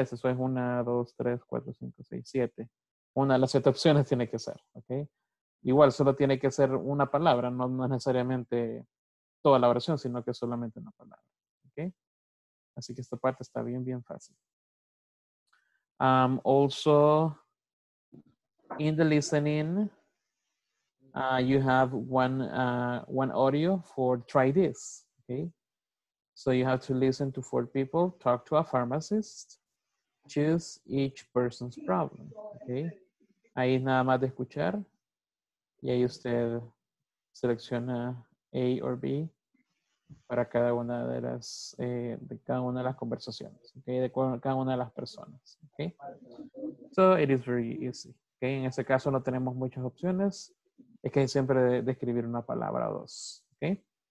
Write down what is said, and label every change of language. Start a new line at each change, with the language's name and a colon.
Spanish: Eso es 1, 2, 3, 4, 5, 6, 7. Una de las 7 opciones tiene que ser, ¿ok? Igual, solo tiene que ser una palabra, no necesariamente toda la oración, sino que solamente una palabra, ¿ok? Así que esta parte está bien, bien fácil.
English: Also, in the listening, you have one audio for try this, okay? So you have to listen to 4 people, talk to a pharmacist, choose each person's problem, okay?
Spanish: Ahí nada más de escuchar, y ahí usted selecciona
English: A or B.
Spanish: Para cada una de las conversaciones, okay, de cada una de las personas, okay.
English: So it is very easy, okay.
Spanish: En este caso no tenemos muchas opciones, es que siempre de escribir una palabra o dos, okay.